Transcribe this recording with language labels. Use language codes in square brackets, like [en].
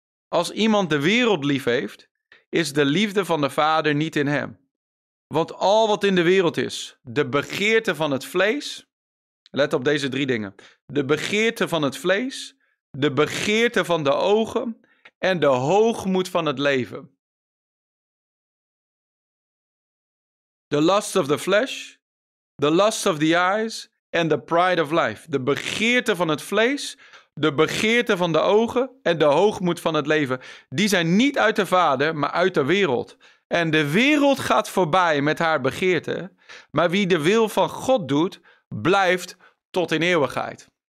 [nl] Als iemand de wereld lief heeft, is de liefde van de Vader niet in hem. Want al wat in de wereld is, de begeerte van het vlees, let op deze drie dingen. De begeerte van het vlees, de begeerte van de ogen en de hoogmoed van het leven. [en] The lust of the flesh, the lust of the eyes and the pride of life. [nl] De begeerte van het vlees, de begeerte van de ogen en de hoogmoed van het leven. Die zijn niet uit de Vader, maar uit de wereld. En de wereld gaat voorbij met haar begeerte, maar wie de wil van God doet, blijft tot in eeuwigheid.